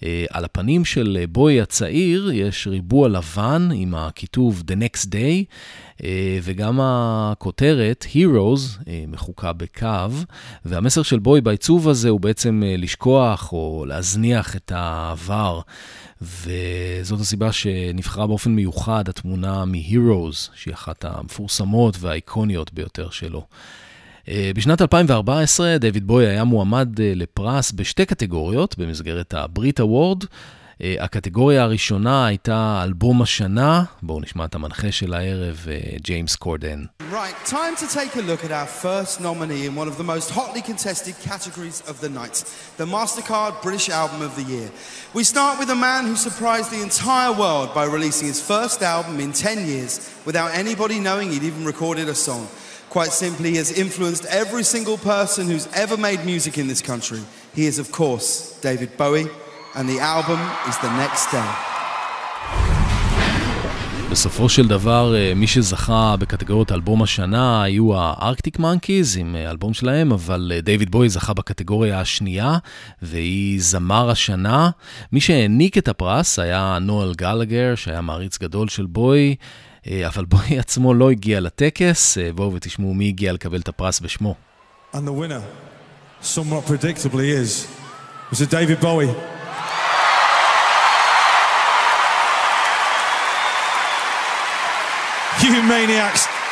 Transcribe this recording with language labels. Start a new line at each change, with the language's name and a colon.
Hebrew: על הפנים של בוי הצעיר יש ריבוע לבן עם הכיתוב The Next Day, וגם הכותרת Heroes מחוקה בקו, והמסר של בוי בעיצוב הזה הוא בעצם לשכוח או להזניח את העבר, וזאת הסיבה שנבחרה באופן מיוחד התמונה מ-Heroes, שהיא אחת המפורסמות והאיקוניות ביותר שלו. בשנת 2014 דיוויד בוי היה מועמד לפרס בשתי קטגוריות במסגרת הברית אוורד. הקטגוריה הראשונה הייתה אלבום השנה, בואו נשמע את המנחה של הערב, ג'יימס קורדן.
English: Right, time to take a look at our first nominee in one of the most hotly contested categories of the night, the MasterCard British Album of the Year. We start with a man who surprised the entire world by releasing his first album in 10 years without anybody knowing he'd even recorded a song. Quite simply, he has influenced every single person who's ever made music in this country. He is, of course, David Bowie. And the album is The Next Day.
Hebrew: בסופו של דבר, מי שזכה בקטגוריות אלבום השנה היו הארקטיק מנקיז עם אלבום שלהם, אבל דיוויד בוי זכה בקטגוריה השנייה, והיא זמר השנה. מי שהעניק את הפרס היה נואל גלגר, שהיה מעריץ גדול של בוי, אבל בוי עצמו לא הגיע לטקס. בואו ותשמעו מי הגיע לקבל את הפרס בשמו.
English: And the winner, somewhat predictably is, was it David Bowie? You maniacs.